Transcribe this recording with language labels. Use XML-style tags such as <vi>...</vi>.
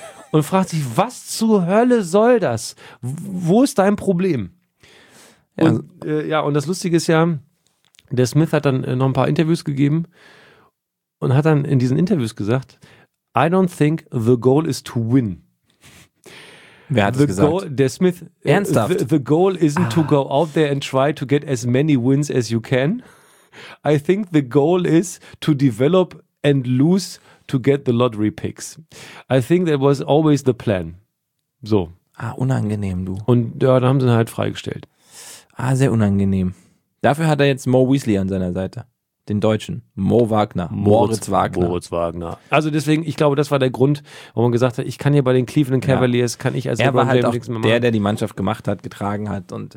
<de>Und fragt sich, was zur Hölle soll das? Wo ist dein Problem? Ja. Und das Lustige ist ja, der Smith hat dann noch ein paar Interviews gegeben und hat dann in diesen Interviews gesagt,</de> <en>I don't think the goal is to win.</en> <de>Wer hat es gesagt? Goal, der Smith. Ernsthaft?</de> <en>The goal isn't to go out there and try to get as many wins as you can. I think the goal is to develop and lose to get the lottery picks. I think that was always the plan. So.</en> <de>Ah, unangenehm, du. Und ja, dann haben sie ihn halt freigestellt. Ah, sehr unangenehm. Dafür hat er jetzt Mo Weasley an seiner Seite. Den Deutschen. Mo Wagner. Moritz Wagner. Also deswegen, ich glaube, das war der Grund, wo man gesagt hat, ich kann hier bei den Cleveland Cavaliers, kann ich als LeBron James nichts mehr machen. Er war halt auch der die Mannschaft gemacht hat, getragen hat und</de>